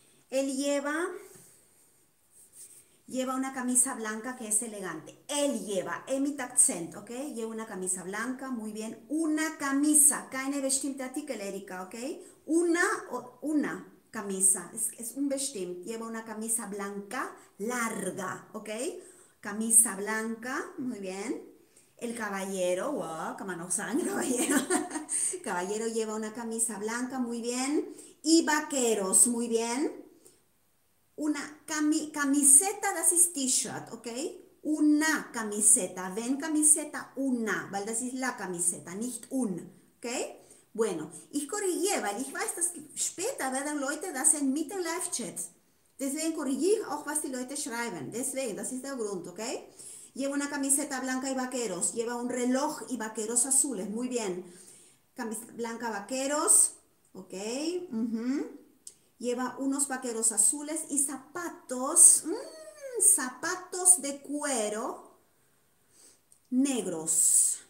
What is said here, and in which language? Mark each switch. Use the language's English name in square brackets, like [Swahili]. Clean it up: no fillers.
[Spanish] Lleva una camisa blanca que es elegante. Él lleva, emit accent, ¿ok? Lleva una camisa blanca, muy bien. Una camisa, [German] keine bestimmte Artikel, Erika, ¿ok? [Spanish] Una camisa, es unbestimmt. Lleva una camisa blanca, larga, ¿ok? Camisa blanca, muy bien. El caballero, wow, kann man auch sagen, caballero. Caballero lleva una camisa blanca, muy bien. Y vaqueros, muy bien. Una camiseta, [German] das ist T-Shirt, [Spanish] ¿ok? Una camiseta, ven camiseta, una, weil das ist la camiseta, nicht un, ¿ok? [German] Bueno, ich korrigiere, weil ich weiß, dass später werden Leute das sehen mit dem Live-Chat. Deswegen korrigiere ich auch, was die Leute schreiben. Deswegen, das ist der Grund, ¿ok? [Spanish] Lleva una camiseta blanca y vaqueros. Lleva un reloj y vaqueros azules. Muy bien. Camiseta blanca, vaqueros, ¿ok? Lleva unos vaqueros azules y zapatos, zapatos de cuero negros.